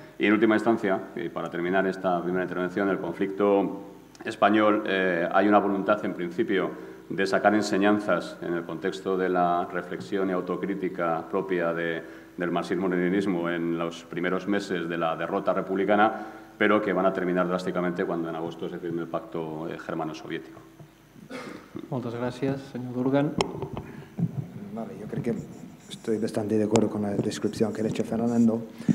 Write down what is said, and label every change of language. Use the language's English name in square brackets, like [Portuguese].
[Spanish] Y, en última instancia, y para terminar esta primera intervención, el conflicto español, hay una voluntad, en principio, de sacar enseñanzas en el contexto de la reflexión y autocrítica propia de, del marxismo-leninismo en los primeros meses de la derrota republicana, pero que van a terminar drásticamente cuando en agosto se firme el pacto germano-soviético. [Catalan] Moltes gràcies, senyor Durgan. [Spanish] Vale, yo creo que estoy bastante de acuerdo con la descripción que ha hecho Fernando.